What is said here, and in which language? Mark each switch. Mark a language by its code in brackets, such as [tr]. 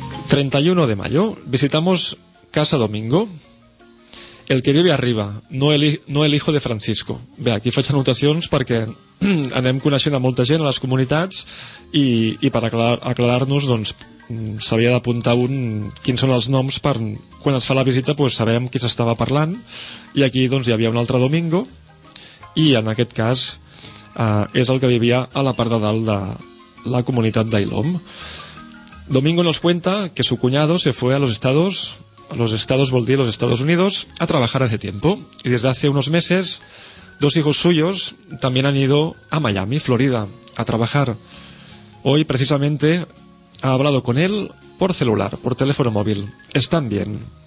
[es] ...31 de mayo... visitamos casa Domingo, el que vive arriba, no el hijo de Francisco. [ca] Bé, aquí faig anotacions perquè anem coneixent a molta gent a les comunitats i per aclarar-nos, doncs, s'havia d'apuntar un quins són els noms per quan es fa la visita, doncs, sabem qui s'estava parlant. I aquí, doncs, hi havia un altre Domingo, i en aquest cas és el que vivia a la part de dalt de la comunitat d'Ilom. [es] Domingo nos cuenta que su cuñado se fue a los Estados, [ca] vol dir [es] los Estados Unidos, a trabajar hace tiempo. Y desde hace unos meses, dos hijos suyos también han ido a Miami, Florida, a trabajar. Hoy, precisamente, ha hablado con él por celular, por teléfono móvil. Están bien.